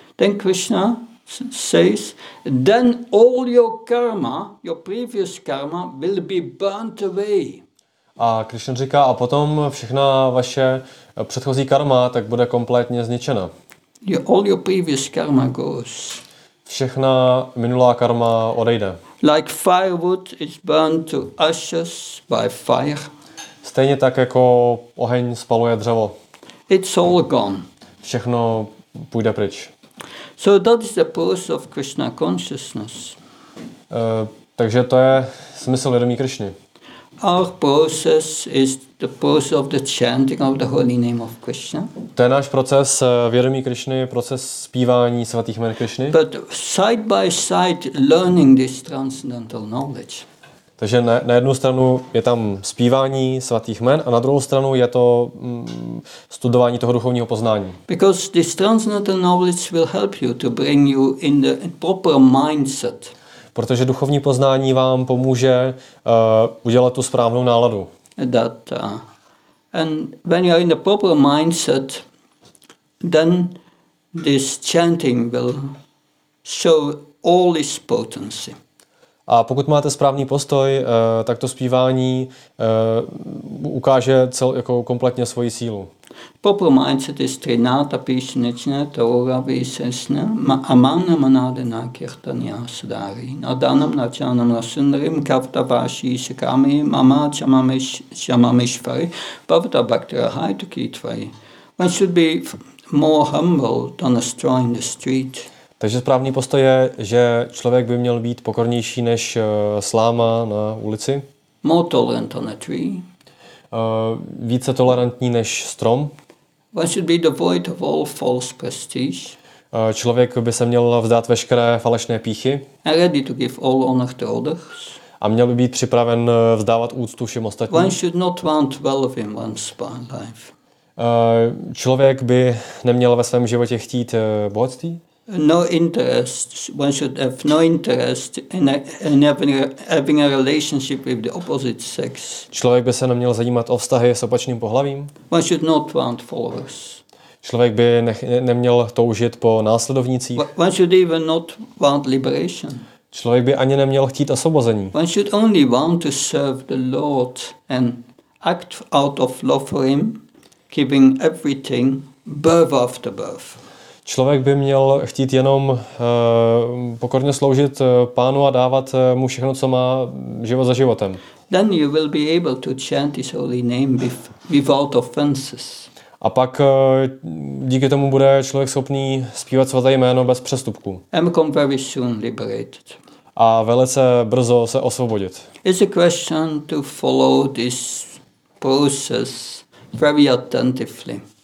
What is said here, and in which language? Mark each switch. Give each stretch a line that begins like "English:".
English: Then Krishna says, then all your karma, your previous karma, will be burnt away.
Czech: A Krishna říká, a potom všechna vaše předchozí karma tak bude kompletně zničena.
English: All your previous karma goes.
Czech: Všechna minulá karma odejde.
English: Like firewood is burned to ashes by fire.
Czech: Stejně tak jako oheň spaluje dřevo.
English: It's all gone.
Czech: Všechno půjde pryč.
English: So that is the purpose of Krishna consciousness.
Czech: Takže to je smysl vědomí Krishny.
English: Our process is the process of the chanting of the holy name of Krishna.
Czech: To je náš proces vědomí Krishny, proces zpívání svatých jmen Krishny.
English: But side by side learning this transcendental knowledge.
Czech: Takže na jednu stranu je tam zpívání svatých jmen a na druhou stranu je to studování toho duchovního poznání.
English: Because this transcendental knowledge will help you to bring you in the proper mindset.
Czech: Protože duchovní poznání vám pomůže udělat tu správnou náladu.
English: That, and when you are in the proper mindset, then this chanting will show all its potency.
Czech: A pokud máte správný postoj, tak to zpívání ukáže jako kompletně svoji sílu.
English: Proper mindset is trinata pishnichna taura visesna amana manadena kirtanya sadari nadanam nachanam nasundarim kapta vashi shikami mama chamamishvari bhavata bhaktira haitukitvai. One should be more humble than a straw in the street.
Czech: Takže správný postoj je, že člověk by měl být pokornější než sláma na ulici.
English: More tolerant than a tree.
Czech: Více tolerantní než strom.
English: One should be devoid of all false prestige.
Czech: Člověk by se měl vzdát veškeré falešné píchy.
English: And ready to give all honor to others.
Czech: A měl by být připraven vzdávat úctu všem ostatním.
English: One should not want wealth in one's life.
Czech: Člověk by neměl ve svém životě chtít bohatství.
English: No interest. One should have no interest in having a relationship with the opposite sex.
Czech: Člověk by se neměl zajímat o vztahy s opačným pohlavím.
English: One should not want followers.
Czech: Člověk by neměl toužit po následovnících.
English: One should even not want liberation.
Czech: Člověk by ani neměl chtít osvobození.
English: One should only want to serve the Lord and act out of love for Him, giving everything birth after birth.
Czech: Člověk by měl chtít jenom pokorně sloužit pánu a dávat mu všechno, co má život za životem.
English: Then you will be able to chant his holy name without offenses.
Czech: A pak díky tomu bude člověk schopný zpívat svaté jméno bez přestupků.
English: And become very soon liberated.
Czech: A velice brzo se osvobodit.
English: It's a question to follow this process very attentively.